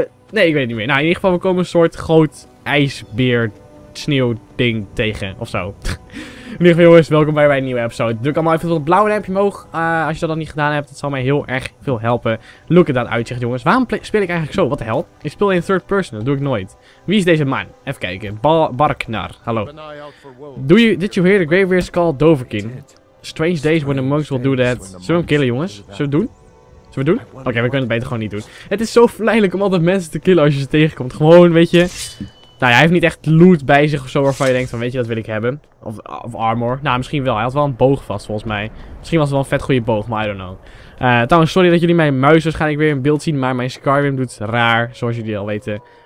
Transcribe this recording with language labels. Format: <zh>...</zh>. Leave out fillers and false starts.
<nl>Nee, ik weet het niet meer. Nou, in ieder geval, we komen een soort groot ijsbeer sneeuw ding tegen. Of zo. In ieder geval, jongens, welkom bij een nieuwe episode. Druk allemaal even op het blauwe duimpje omhoog. Als je dat dan niet gedaan hebt, dat zal mij heel erg veel helpen.</nl> <en>Look at that</en> <nl>uitzicht, jongens. Waarom speel ik eigenlijk zo? Wat de hel? Ik speel in third person, dat doe ik nooit. Wie is deze man? Even kijken. Barknar, hallo.</nl> <en>Did you hear the graveyard call Dovahkiin? Strange days when the monks will do that.</en> <nl>Zullen we hem killen, jongens? Zullen we doen? Zullen we doen? Oké, we kunnen het beter gewoon niet doen. Het is zo verleidelijk om altijd mensen te killen als je ze tegenkomt. Gewoon, weet je... Nou ja, hij heeft niet echt loot bij zich of zo waarvan je denkt van, weet je, dat wil ik hebben. Of armor. Nou, misschien wel. Hij had wel een boog vast, volgens mij. Misschien was het wel een vet goede boog, maar</nl> <en>I don't know.</en> <nl>Trouwens, sorry dat jullie mijn muis waarschijnlijk weer in beeld zien, maar mijn Skyrim doet raar, zoals jullie al weten.</nl>